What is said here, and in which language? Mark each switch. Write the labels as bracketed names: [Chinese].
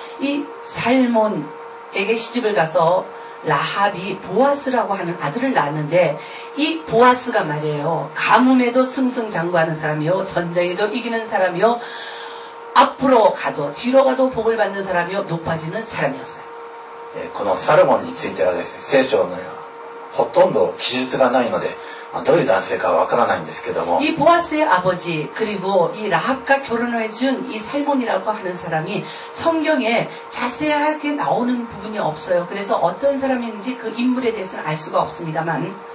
[Korean] 이 살몬에게 시집을 가서 라합이 보아스라고 하는 아들을 낳았는데 이 보아스가 말이에요. 가뭄에도 승승장구하는 사람이요. 전쟁에도 이기는 사람이요. 앞으로 가도 뒤로 가도 복을 받는 사람이요 높아지는 사람이었어요. [Japanese] 이 살몬についてはですね, 聖書のほとんど記述がないので、どういう男性かわからないんですけども. [Korean] 이 보아스의 아버지 그리고 이 라합과 결혼을 해준 이 살몬이라고 하는 사람이 성경에 자세하게 나오는 부분이 없어요. 그래서 어떤 사람인지 그 인물에 대해서는 알 수가 없습니다만.